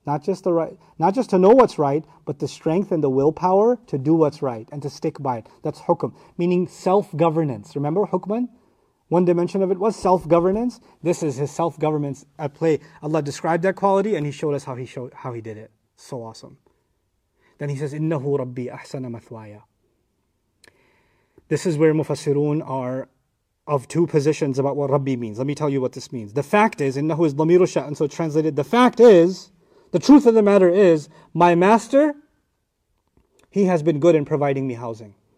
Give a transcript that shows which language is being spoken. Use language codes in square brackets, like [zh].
[en] Not just the right, not just to know what's right, but the strength and the willpower to do what's right and to stick by it. That's hukm, meaning self-governance. Remember hukman? One dimension of it was self-governance. This is his self-governance at play. Allah described that quality and he showed us how he did it. So awesome. Then he says, [ar] إِنَّهُ رَبِّي أَحْسَنَ مَثْوَايَ. [en] This is where Mufassirun are of two positions about what Rabbi means. Let me tell you what this means. The fact is, إِنَّهُ is [ar] ضَمِيرُ شَأْنٍ, [en] and so translated, the fact is, the truth of the matter is, my master, he has been good in providing me housing.